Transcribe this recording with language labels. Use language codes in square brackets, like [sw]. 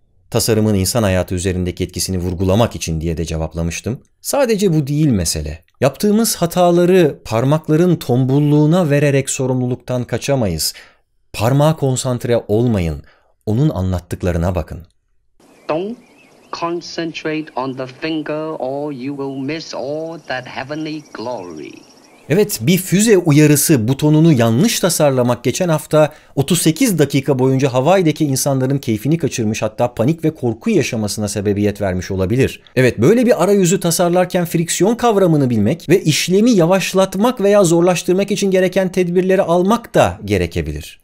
[tr] Tasarımın insan hayatı üzerindeki etkisini vurgulamak için diye de cevaplamıştım. Sadece bu değil mesele. Yaptığımız hataları parmakların tombulluğuna vererek sorumluluktan kaçamayız. Parmağa konsantre olmayın. Onun anlattıklarına bakın. [en] Don't concentrate on the finger or you will miss all that heavenly glory. [tr] Evet, bir füze uyarısı butonunu yanlış tasarlamak geçen hafta 38 dakika boyunca Hawaii'deki insanların keyfini kaçırmış, hatta panik ve korku yaşamasına sebebiyet vermiş olabilir. Evet, böyle bir arayüzü tasarlarken friksiyon kavramını bilmek ve işlemi yavaşlatmak veya zorlaştırmak için gereken tedbirleri almak da gerekebilir.